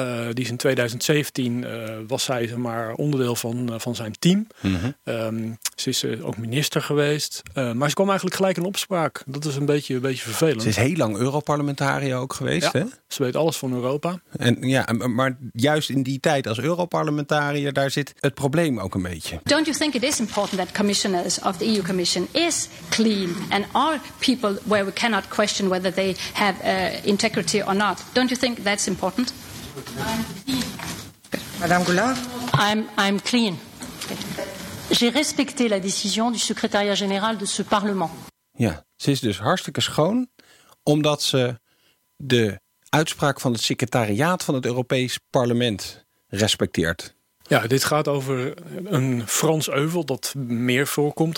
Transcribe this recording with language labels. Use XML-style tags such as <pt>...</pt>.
<nl>Die is in 2017 was zij zeg maar onderdeel van zijn team. Mm-hmm. Ze is ook minister geweest. Maar ze kwam eigenlijk gelijk in opspraak. Dat is een beetje vervelend. Ze is heel lang Europarlementariër ook geweest. Ja, hè? Ze weet alles van Europa. En ja, maar juist in die tijd als Europarlementariër, daar zit het probleem ook een beetje.</nl> <en>Don't you think it is important that commissioners of the EU Commission is clean and are people where we cannot question whether they have integrity or not? Don't you think that's important? Madame Goulard, I'm clean.</en> <fr>J'ai respecté la décision du secrétariat général de ce parlement.</fr> <nl>Ja, ze is dus hartstikke schoon, omdat ze de uitspraak van het secretariaat van het Europees Parlement respecteert. Ja, dit gaat over een Frans euvel dat meer voorkomt.</nl>